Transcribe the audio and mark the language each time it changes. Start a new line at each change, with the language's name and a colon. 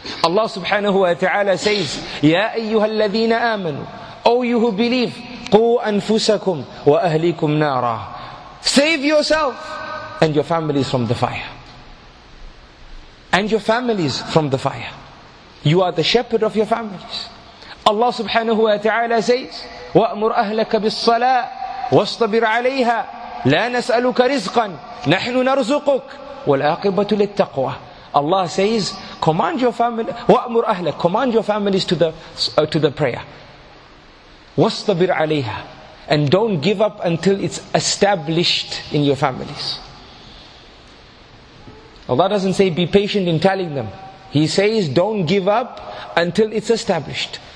English: Allah subhanahu wa ta'ala says,
Arabic: Ya ayyuhal ladhina amanu,
English: O you who believe,
Arabic: قُوْ أَنفُسَكُمْ وَأَهْلِكُمْ نَارًا.
English: Save yourself and your families from the fire. And your families from the fire. You are the shepherd of your families. Allah subhanahu wa ta'ala says,
Arabic: وَأْمُرْ أَهْلَكَ بِالصَّلَاءِ وَاصْطَبِرْ عَلَيْهَا لَا نَسْأَلُكَ رِزْقًا نَحْنُ نَرْزُقُكَ وَالْآقِبَةُ لِلتَّقْوَى.
English: Allah says, command your family,
Arabic: وَأْمُرْ أَهْلَكَ,
English: command your families to the prayer.
Arabic: وَاصْطَبِرْ عَلَيْهَا,
English: and don't give up until it's established in your families. Allah doesn't say be patient in telling them. He says don't give up until it's established.